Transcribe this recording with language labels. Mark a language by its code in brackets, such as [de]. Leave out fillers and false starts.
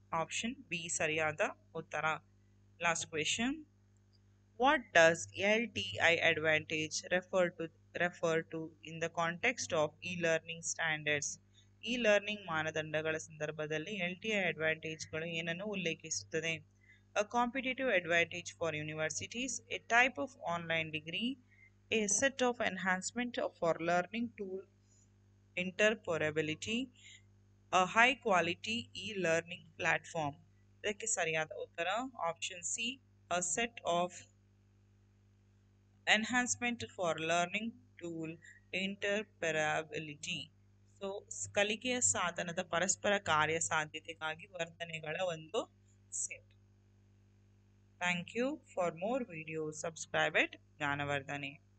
[kn] Option B ಸರಿಯಾದ ಉತ್ತರ. [en] Last question, what does L T I advantage refer to in the context of e learning standards? [kn] E learning ಮಾನದಂಡಗಳ ಸಂದರ್ಭದಲ್ಲಿ L T I ಅಡ್ವಾಂಟೇಜ್ಗಳು ಏನನ್ನು ಉಲ್ಲೇಖಿಸುತ್ತದೆ? [en] A competitive advantage for universities, a type of online degree, a set of enhancement for learning tool interoperability, a high quality e-learning platform. [kn] ಇದಕ್ಕೆ ಸರಿಯಾದ ಉತ್ತರ option C, [en] A set of enhancement for learning tool interoperability. [kn] So ಕಲಿಕೆಯ ಸಾಧನದ ಪರಸ್ಪರ ಕಾರ್ಯ ಸಾಧ್ಯತೆಗಾಗಿ ವರ್ತನೆಗಳ ಒಂದು set. [en] Thank you. For more videos, subscribe it. Gyanavardhane.